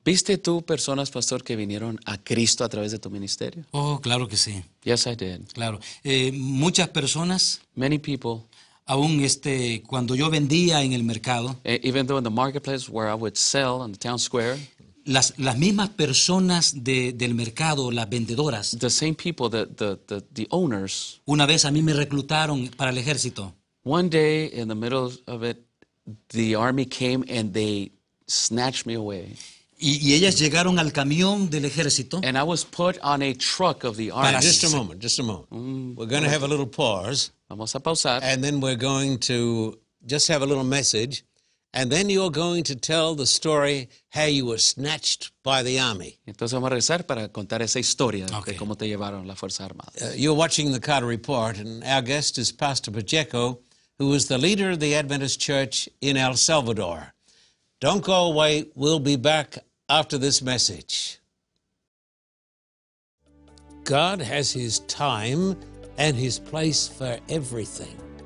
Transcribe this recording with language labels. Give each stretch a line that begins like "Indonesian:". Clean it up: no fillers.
Spanish: ¿Viste tú personas, Pastor, que vinieron a Cristo a través de tu ministerio? Oh, claro que sí.
English: Yes, I did.
Spanish: Claro. Muchas personas.
English: Many people.
Spanish: Aún cuando yo vendía en el mercado.
English: Even though in the marketplace where I would sell on the town square.
Spanish: Las mismas personas del mercado, las vendedoras.
English: The same people, the owners.
Spanish: Una vez a mí me reclutaron para el ejército.
English: One day in the middle of it, the army came and they snatched me away.
Spanish: Y ellas llegaron al camión del ejército.
English: And I was put on a truck of the army. Just a moment. We're going to have a little pause.
Spanish: Vamos a pausar.
English: And then we're going to just have a little message. And then you're going to tell the story how you were snatched by the army.
Spanish: Entonces vamos a regresar para contar esa historia de cómo te llevaron la Fuerza Armada.
English: You're watching the Carter Report, and our guest is Pastor Pacheco, who is the leader of the Adventist Church in El Salvador. Don't go away. We'll be back after this message. God has His time and His place for everything.